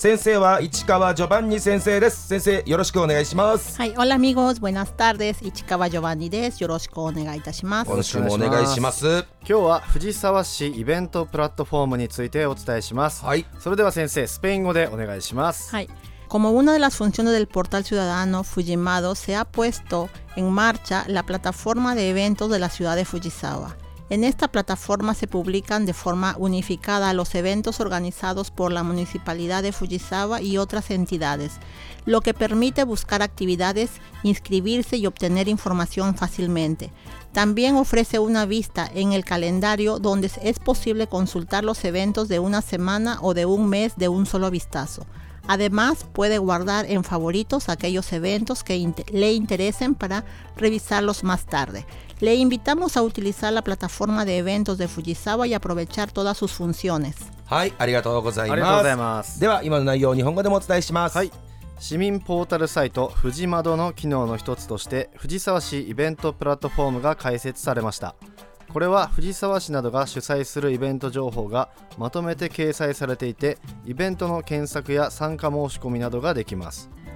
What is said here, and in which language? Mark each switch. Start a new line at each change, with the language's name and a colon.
Japanese: 先生は市川ジョバンニ先生です。先生よろしくお願いします。はい、
Spanish: オラアミゴス、ブエナスタール
Japanese: です。市川ジョバンニです。よろしくお願いいたします。今週もお願いします。今日は藤沢市イベントプラットフォームについてお伝えします。はい、それでは先生スペイン語でお願いします。
Spanish: はい、Como una de las funciones del portal ciudadano Fujimado, se ha puesto en marcha la plataforma de eventos de la ciudad de Fujisawa. En esta plataforma se publican de forma unificada los eventos organizados por la Municipalidad de Fujisawa y otras entidades, lo que permite buscar actividades, inscribirse y obtener información fácilmente. También ofrece una vista en el calendario donde es posible consultar los eventos de una semana o de un mes de un solo vistazo. Además, puede guardar en favoritos aquellos eventos que le interesen para revisarlos más tarde. Le invitamos a utilizar la plataforma de eventos de Fujisawa y aprovechar todas sus funciones.
Japanese: はい、ありがとうございます。ありがとうございます。では、今の内容を日本語でもお伝えします。はい。市民ポータルサイト、フジマドの機能の一つとして、藤沢市イベントプラットフォームが開設されました。これは藤沢市などが主催するイベント情報がまとめて掲載されていて、イベントの検索や参加申し込みなどができます。